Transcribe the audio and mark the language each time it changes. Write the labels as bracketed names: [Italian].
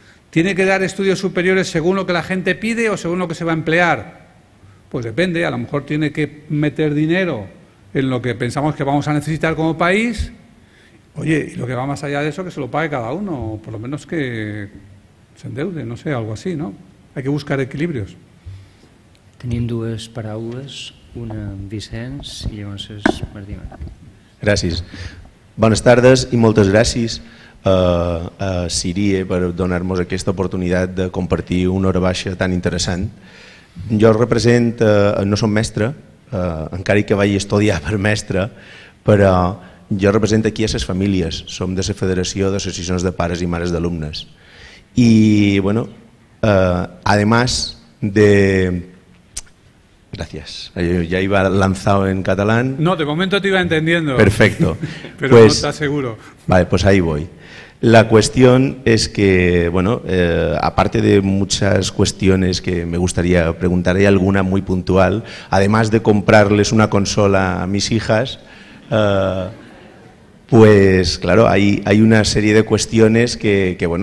[Spanish] ¿Tiene que dar estudios superiores según lo que la gente pide o según lo que se va a emplear? Pues depende, a lo mejor tiene que meter dinero en lo que pensamos que vamos a necesitar como país. Oye, y lo que va más allá de eso, que se lo pague cada uno, o por lo menos que se endeude, no sé, algo así, ¿no? Hay que buscar equilibrios. [Catalan] Tenim dues paraules, una amb Vicenç i llavors és Martí. Gràcies. Bones tardes i moltes gràcies a Sirie per donar-nos aquesta oportunitat de compartir una hora baixa tan interessant. Jo represent, no som mestre, encara que vaig estudiar per mestre, però jo represento aquí a les famílies, som de la Federació d'Associacions de Pares i Mares d'Alumnes. [Spanish] I, bueno, además de... [Catalan] Gràcies, ja hi va lanzado en català. No, de moment t'hi va entendiendo. [Spanish] Perfecto. [Catalan] Però pues, no t'asseguro. [Spanish] Vale, pues ahí voy. La cuestión es que, bueno, aparte de muchas cuestiones que me gustaría preguntar, hay alguna muy puntual, además de comprarles una consola a mis hijas, pues claro, hay una serie de cuestiones que